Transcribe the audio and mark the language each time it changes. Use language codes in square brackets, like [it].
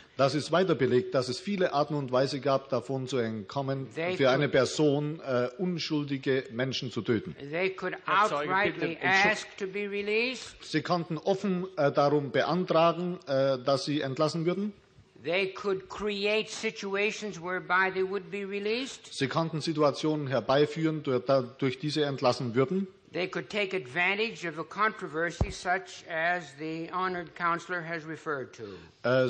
[de] Das ist weiter belegt, dass es viele Arten und Weise gab, davon zu entkommen, für eine Person unschuldige Menschen zu töten. [en] They could outrightly ask to be released. [de] Sie konnten offen darum beantragen, dass sie entlassen würden. [en] They could create situations whereby they would be released. [de] Sie konnten Situationen herbeiführen, durch die sie entlassen würden. [en] They could take advantage of a controversy such as the honored counselor has referred to.